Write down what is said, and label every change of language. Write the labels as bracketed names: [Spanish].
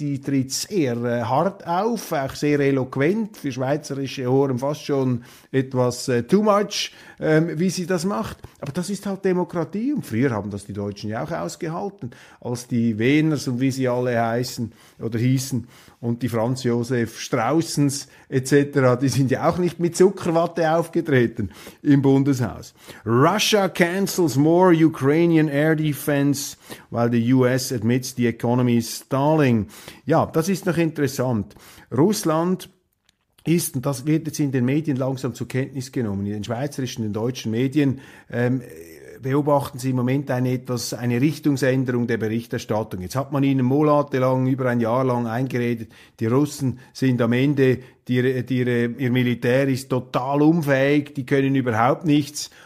[German] Die tritt sehr hart auf, auch sehr eloquent, für schweizerische Ohren fast schon etwas too much, wie sie das macht. Aber das ist halt Demokratie und früher haben das die Deutschen ja auch ausgehalten, als die Wehners und wie sie alle heißen oder hießen und die Franz Josef Straussens etc., die sind ja auch nicht mit Zuckerwatte aufgetreten im Bundeshaus. [English] Russia cancels more Ukrainian air defense while the US admits the economy is stalling. [German] Ja, das ist noch interessant. Russland ist, und das wird jetzt in den Medien langsam zur Kenntnis genommen, in den schweizerischen, in den deutschen Medien, beobachten Sie im Moment eine Richtungsänderung der Berichterstattung. Jetzt hat man Ihnen monatelang, über ein Jahr lang eingeredet, die Russen sind am Ende, ihr Militär ist total unfähig, die können überhaupt nichts.